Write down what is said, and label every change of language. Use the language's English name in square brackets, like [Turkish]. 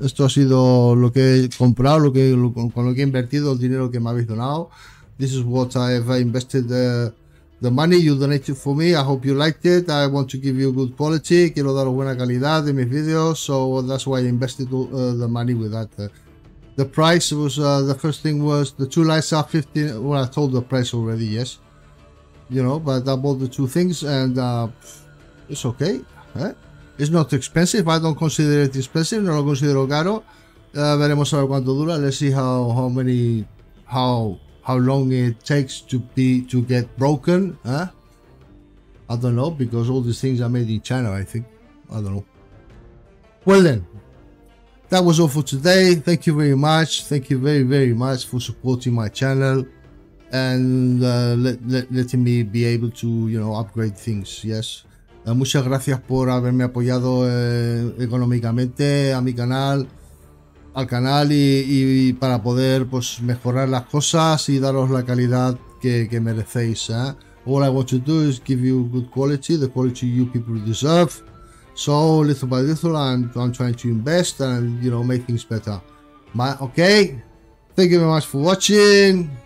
[Spanish] Esto ha sido lo que he comprado, lo que con lo que he invertido, el dinero que me habéis donado. [English] This is what I have invested the money you donated for me. I hope you liked it. I want to give you good quality. [Spanish] Quiero dar buena calidad de mis videos. [English] So that's why I invested the money with that. The price was the first thing was the two lights are 15. Well, I told the price already, yes. You know, but I bought the two things and it's okay. Eh? It's not expensive. I don't consider it expensive. [Spanish] No lo considero caro. Veremos a ver cuánto dura. [English] Let's see how long it takes to get broken. Eh? I don't know, because all these things are made in China, I think. I don't know. Well then, that was all for today. Thank you very much. Thank you very, very much for supporting my channel and letting me be able to, you know, upgrade things. Yes. [Spanish] Muchas gracias por haberme apoyado económicamente a mi canal, al canal y para poder pues mejorar las cosas y daros la calidad que merecéis. ¿Eh? [English] All I want to do is give you good quality, the quality you people deserve. So little by little, I'm trying to invest and, you know, make things better. But, okay, thank you very much for watching.